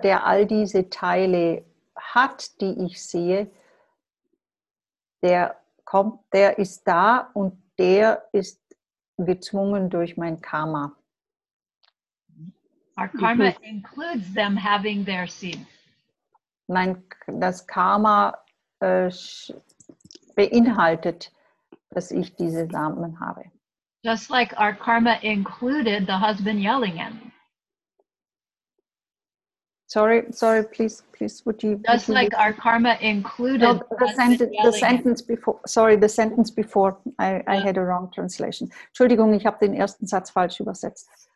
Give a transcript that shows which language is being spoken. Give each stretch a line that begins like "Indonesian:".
German: Der all diese Teile hat, die ich sehe, der ist da und der ist gezwungen durch mein Karma.
English: Our karma includes them having their seeds.
German: Das Karma beinhaltet, dass ich diese Samen habe.
English: Just like our karma included the husband yelling at me. Sorry, please, would you... Just like our karma included... The sentence before, I had a wrong translation.
German: Entschuldigung, ich habe den ersten Satz falsch übersetzt.